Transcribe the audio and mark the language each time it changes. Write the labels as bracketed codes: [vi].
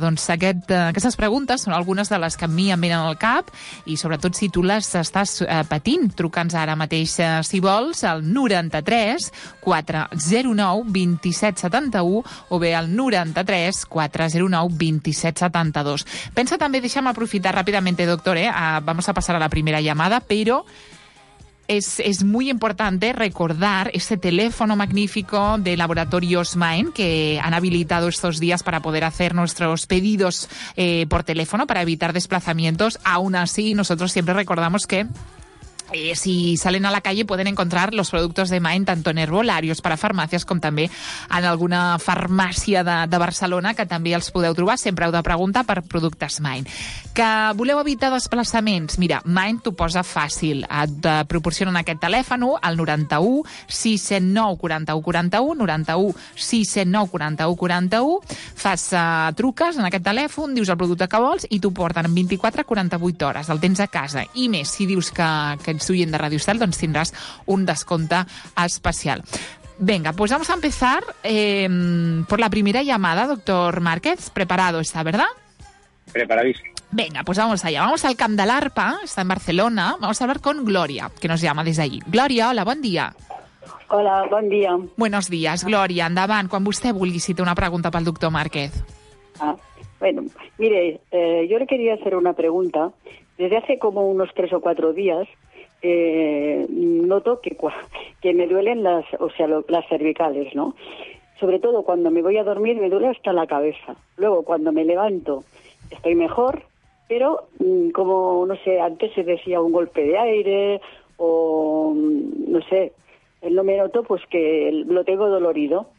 [ca] Doncs aquestes preguntes són algunes de les que a mi em venen al cap i sobretot si tu les estàs patint, truca'ns ara mateix si vols al 93 409 2771 o bé al 93 409 2772. Pensa també, deixa'm aprofitar ràpidament, doctor, [es] vamos a pasar a la primera llamada, pero es muy importante recordar ese teléfono magnífico de Laboratorios Mind que han habilitado estos días para poder hacer nuestros pedidos por teléfono para evitar desplazamientos. Aún así, nosotros siempre recordamos que si salen a la calle pueden encontrar los productos de Mind tanto en herbolarios para [ca] farmàcies com també en alguna farmàcia de Barcelona que també els podeu trobar, sempre heu de preguntar per productes Mind. Que voleu evitar desplaçaments? Mira, Mind t'ho posa fàcil, et proporcionen aquest telèfon al 91 609 41 41 91 609 41 41. Fas truques en aquest telèfon, dius el producte que vols i t'ho porten en 24-48 hores, el tens a casa. I més, si dius que ets oient de Radio Estel, doncs tindràs un descompte especial. [es] Venga, pues vamos a empezar por la primera llamada, doctor Márquez. Preparado está, ¿verdad? Preparadísimo. Venga, pues vamos allá. Vamos al Camp de l'Arpa, está en Barcelona. Vamos a hablar con Gloria, que nos llama desde allí. Gloria, hola, buen día. [ca] Hola, bon dia. [es] Buenos días, Glòria. [ca] Endavant, quan vostè vulgui, si té una pregunta pel doctor Márquez. [es] Ah, bueno, mire, yo le quería hacer una pregunta. Desde hace como unos 3 o 4 días, noto que me duelen las cervicales, ¿no? Sobre todo cuando me voy a dormir me duele hasta la cabeza. Luego, cuando me levanto, estoy mejor, pero como, no sé, antes se decía un golpe de aire o, no sé, no me noto, pues que lo tengo dolorido.